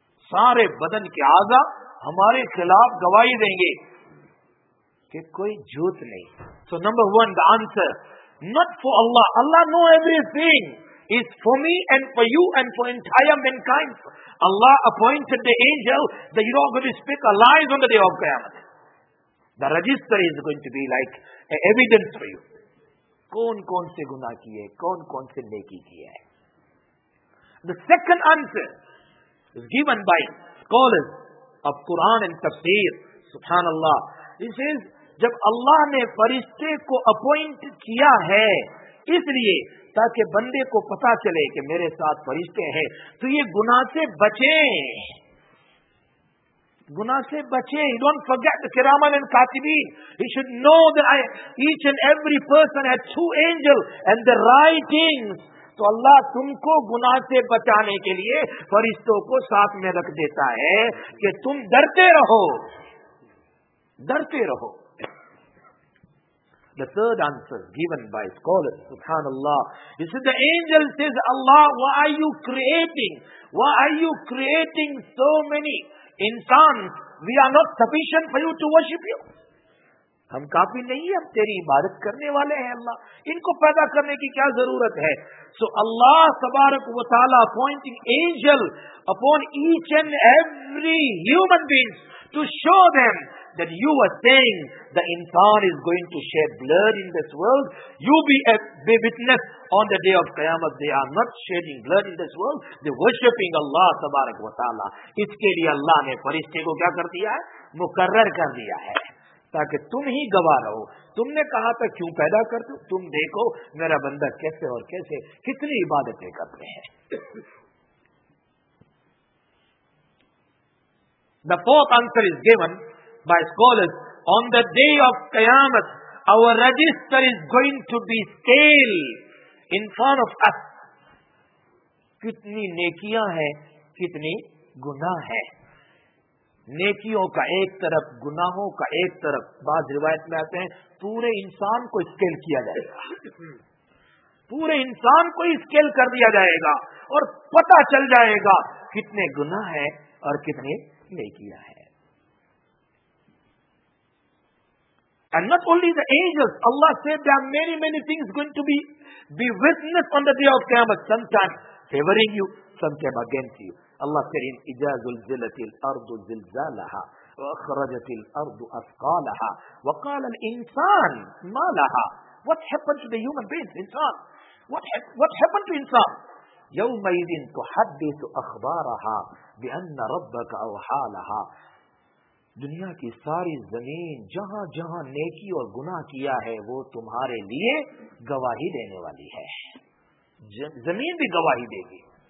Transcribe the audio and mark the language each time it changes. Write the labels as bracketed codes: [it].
[ur] سارے بدن کے اعضا ہمارے خلاف گواہی دیں گے کہ کوئی جھوٹ نہیں. [en] So number one, the answer, not for Allah. Allah know everything. It's for me and for you and for entire mankind. Allah appointed the angel that you're not going to speak a lie on the day of Qiyamah. The register is going to be like an evidence for you. [ur] کون کون سے گناہ کیے, کون کون سے نیکی کیے. [en] The second answer is given by scholars of Quran and Tafsir. Subhanallah. He says, [ur] جب اللہ نے فرشتے کو اپوائنٹ کیا ہے اس لیے تاکہ بندے کو پتا چلے کہ میرے ساتھ فرشتے ہیں, تو یہ گناہ سے بچیں, گناہ سے بچیں. [en] Don't forget the kiraman and katibin. He should know that each and every person had 2 angels and the writings. [ur] تو اللہ تم کو گناہ سے بچانے کے لیے فرشتوں کو ساتھ میں رکھ دیتا ہے کہ تم ڈرتے رہو, ڈرتے رہو. [en] The third answer given by scholars, subhanallah, he said, the angel says, Allah, why are you creating? Why are you creating so many [ur] انسان [en] we are not sufficient for you to worship you, [ur] ہم کافی نہیں ہم تیری عبادت کرنے والے ہیں اللہ, ان کو پیدا کرنے کی کیا ضرورت ہے. [en] So اللہ تبارک و تعالی appointing angel upon each and every human being to show them that you are seeing the انسان is going to shed blood in this world, you be witness on the day of قیامت, they are not shedding blood in this world, they worshipping اللہ تبارک و تعالی. [ur] اس کے لیے اللہ نے فرشتے کو کیا کر دیا ہے, مقرر کر دیا ہے تاکہ تم ہی گواہ رہو. تم نے کہا تھا کیوں پیدا کر دوں, تم دیکھو میرا بندہ کیسے اور کیسے کتنی عبادتیں کرتے ہیں. [en] The fourth answer is given by scholars, on the day of قیامت our register is going to be scale in front of us, [ur] کتنی نیکیاں ہیں کتنی گناہ ہیں, نیکیوں کا ایک طرف گناہوں کا ایک طرف, بعض روایت میں آتے ہیں پورے انسان کو اسکیل کیا جائے گا, پورے انسان کو اسکیل کر دیا جائے گا اور پتا چل جائے گا کتنے گناہ ہیں اور کتنے نیکیاں ہیں. [en] And not only the angels, Allah said there are many many things going to be witnessed on the day of Qiyamah, sometimes favoring you, sometimes against you. [ur] اللہ کریم, [ar] اذا زلزلت الارض زلزالها واخرجت الارض اثقالها وقال الانسان ما لها, [en] what happened to the human being, [ur] انسان, [en] what happened to انسان, [ar] يومئذ تحدث اخبارها بان ربك اوحى لها, [ur] دنیا کی ساری زمین جہاں جہاں نیکی اور گناہ کیا ہے وہ تمہارے لیے گواہی دینے والی ہے, زمین بھی گواہی دے گی.